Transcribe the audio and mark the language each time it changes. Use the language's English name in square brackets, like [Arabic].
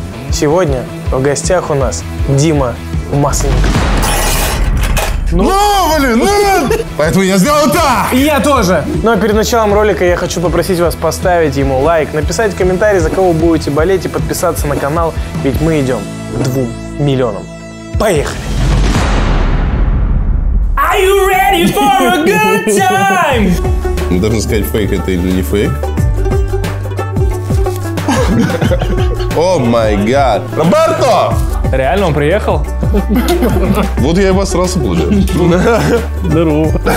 [Russian] Сегодня в гостях у нас Дима Масленников. Ну, блин! Поэтому я сделал так! Я тоже! Ну, а перед началом ролика я хочу попросить вас поставить ему лайк, написать комментарий, за кого будете болеть, и подписаться на канал, ведь мы идем к 2 миллионам. Поехали! [English] Are you ready for a good time? [Russian] Должен сказать, фейк это или не фейк? О май гад! Роберто! Реально, он приехал? Вот я и обосрался, получается. Здорово.